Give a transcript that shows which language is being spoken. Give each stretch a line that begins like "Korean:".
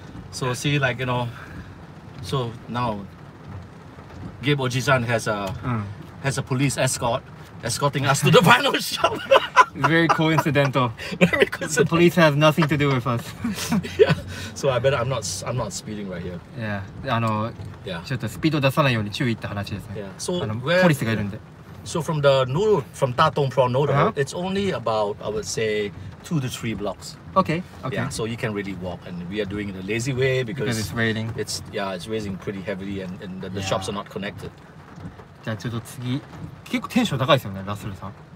English: So see, like, you know, so now, ghib.ojisan has a police escorting us to the vinyl shop. Very coincidental. Very coincidental. The police have nothing to do with us. Yeah. So I bet I'm not speeding right here. Yeah.
Japanese: ちょっとスピード出さないように注意って話ですね。
English: Yeah. So
Japanese: ポリスがいるんで。
English: So from the noodle, from Katong prawn noodle, it's only about, I would say, 2 to 3 blocks. Okay. Okay. Yeah. So you can really walk, and we are doing it the lazy way because it's raining. It's raising pretty heavily, and the shops are not connected.
Japanese: じゃあちょっと次結構テンション高いですよねラッスルさん。